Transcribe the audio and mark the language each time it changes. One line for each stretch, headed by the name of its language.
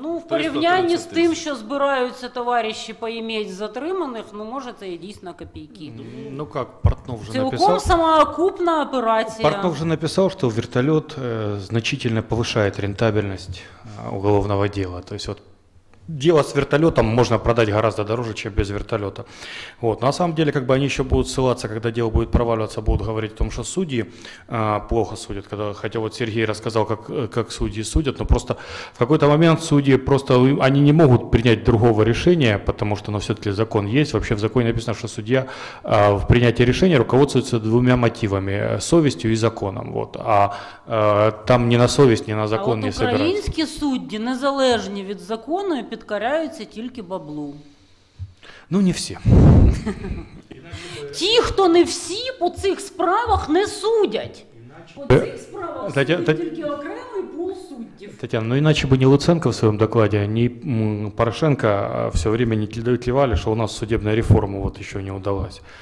Ukrainian: Ну, в порівнянні з тим, що збираються товариші поїміть затриманих, ну, може, це і дійсно копійки. Ну, як, Портнов вже цілком написав. Цілком самоокупна операція. Портнов вже написав, що вертоліт значительно повищає рентабельність уголовного діла.
Russian: Тобто, дело с вертолетом можно продать гораздо дороже, чем без вертолета. Вот. На самом деле, как бы они еще будут ссылаться, когда дело будет проваливаться, будут говорить о том, что судьи плохо судят. Когда, хотя вот Сергей рассказал, как судьи судят, но просто в какой-то момент судьи просто они не могут принять другого решения, потому что все-таки закон есть. Вообще в законе написано, что судья в принятии решения руководствуется двумя мотивами – совестью и законом. Вот. Там ни на совесть, ни на закон не собираются.
Ukrainian: А вот украинские судьи, незалежні від закону, підкоряються тільки баблу. Ну, не всі. Ті, хто не всі, по цих справах не судять. По цих справах судять тільки окремий пул суддів. Тетяна, ну іначе б ні Луценко в своєму докладі, ні Порошенко
Russian: все время
Ukrainian: не тлівали, що у нас судебна реформа вот ще не удалась.